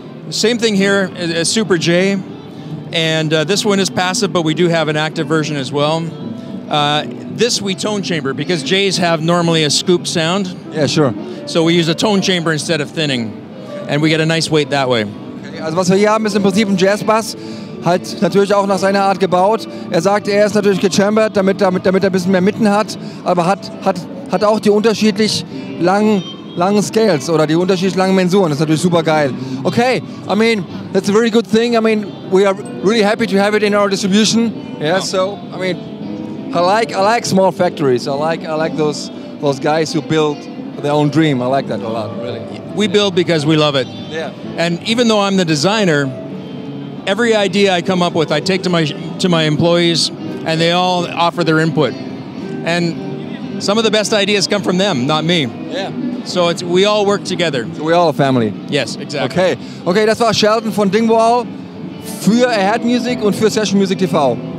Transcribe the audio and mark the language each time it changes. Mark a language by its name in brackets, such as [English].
[English] Same thing here, a Super J, and this one is passive, but we do have an active version as well. This we tone chamber because J's have normally a scoop sound. Yeah, sure. So we use a tone chamber instead of thinning, and we get a nice weight that way. Okay. [German] Also was wir hier haben ist im Prinzip ein Jazz Bass. Halt natürlich auch nach seiner Art gebaut. Er sagt, er ist natürlich gechambert, damit er ein bisschen mehr Mitten hat, aber hat auch die unterschiedlich langen Scales oder die unterschiedlich langen Mensuren. Das ist natürlich super geil. [English] Okay, I mean, that's a very good thing. I mean, we are really happy to have it in our distribution. Yeah, so, I mean, I like small factories. I like those guys who build their own dream. I like that a lot, really. We build because we love it. Yeah. And even though I'm the designer, every idea I come up with, I take to my employees, and they all offer their input. And some of the best ideas come from them, not me. Yeah. So it's, we all work together. So we all a family. Yes, exactly. Okay. [German] Okay, das war Sheldon von Dingwall für Ahead Music und für Session Music TV.